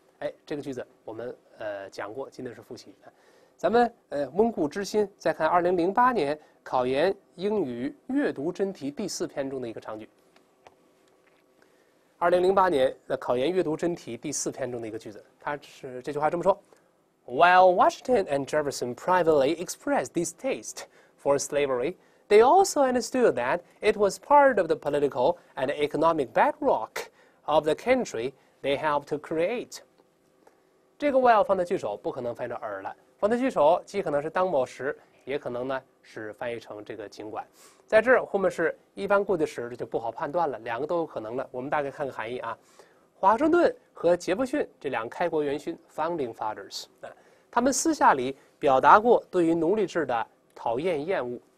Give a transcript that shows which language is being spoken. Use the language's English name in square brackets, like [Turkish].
[Chinese] 哎，这个句子我们讲过，今天是复习。咱们温故知新，再看2008年考研英语阅读真题第四篇中的一个长句。 2008年的考研阅读真题第四篇中的一个句子，它是这句话这么说。 [English] While Washington and Jefferson privately expressed distaste for slavery, they also understood that it was part of the political and economic bedrock of the country they helped to create. [Chinese] 这个 while 放在句首，不可能翻译成而了。放在句首，既可能是当某时，也可能呢是翻译成这个尽管。在这儿后面是一般过去时，这就不好判断了，两个都有可能了。我们大概看看含义啊。华盛顿和杰弗逊这两个开国元勋 founding fathers， 他们私下里表达过对于奴隶制的讨厌厌恶。